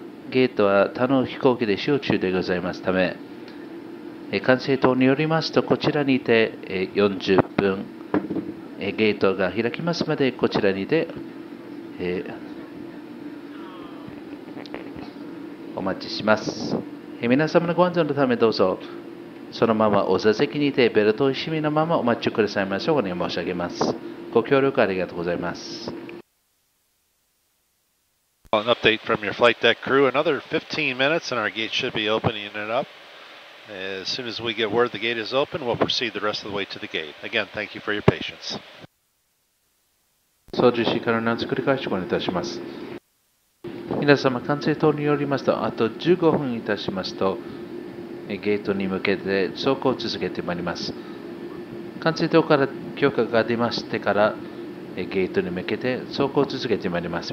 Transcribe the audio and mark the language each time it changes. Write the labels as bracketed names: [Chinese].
[Japanese] ゲートは他の飛行機で使用中でございますため、管制塔によりますとこちらにて40分、ゲートが開きますまでこちらにて、お待ちします。皆様のご安全のためどうぞそのままお座席にてベルトを締めのままお待ちくださいましょう。ご願い申し上げます。ご協力ありがとうございます。 [English] An update from your flight deck crew. Another 15 minutes and our gate should be opening it up. As soon as we get word the gate is open, we'll proceed the rest of the way to the gate. Again, thank you for your patience. [Japanese] 操縦士からアナウンス繰り返しご案内いたします。皆様、管制塔によりますと、あと15分いたしますと、ゲートに向けて走行を続けてまいります。管制塔から許可が出ましてから、ゲートに向けて走行を続けてまいります。